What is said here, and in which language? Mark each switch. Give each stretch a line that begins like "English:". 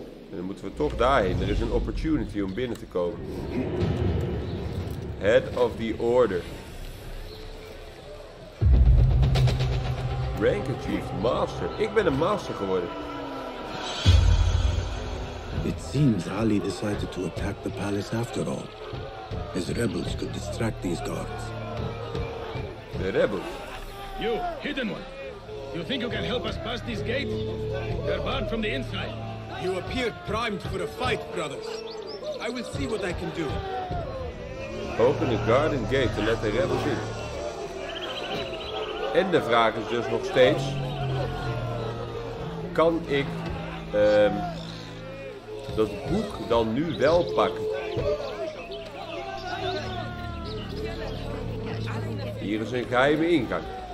Dutch: En dan moeten we toch daarheen. Er is een opportunity om binnen te komen. Head of the Order.
English: Rank achieved, master.
Dutch: Ik ben een master geworden.
English: It seems Ali decided to attack the palace after all. His rebels could distract these guards. The rebels? You, hidden one. You think you can help us pass these gates? They're barred from the inside. You appear primed for a fight, brothers. I will see what I can do. Open the garden gate to let the rebels in.
Dutch: En de vraag is dus nog steeds: kan ik dat boek dan nu wel pakken? Hier is een geheime ingang.